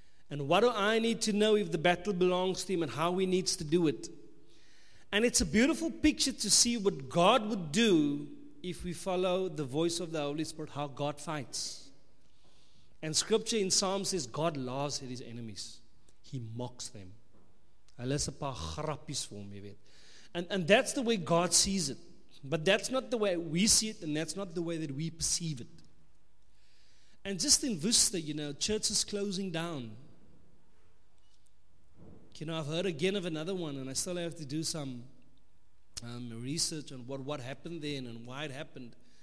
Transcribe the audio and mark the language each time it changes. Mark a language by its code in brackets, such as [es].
[en] And what do I need to know if the battle belongs to him and how he needs to do it. And it's a beautiful picture to see what God would do if we follow the voice of the Holy Spirit, how God fights. And scripture in Psalms says God laughs at his enemies. He mocks them. [af] Alles 'n paar grappies vir hom, jy weet. [en] And that's the way God sees it. But that's not the way we see it, and that's not the way that we perceive it. And just in Worcester, you know, church is closing down. You know, I've heard again of another one, and I still have to do some research on what happened then and why it happened.